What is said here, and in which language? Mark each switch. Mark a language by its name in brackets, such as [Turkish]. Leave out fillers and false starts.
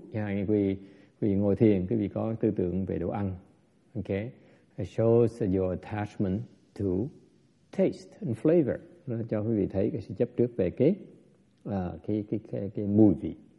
[Vietnamese] Yeah, quý vị ngồi thiền, quý vị có tư tưởng về đồ ăn. [English] Okay. It shows your attachment to taste and flavor. [Vietnamese] Nó cho quý vị thấy cái sự chấp trước về cái mùi vị.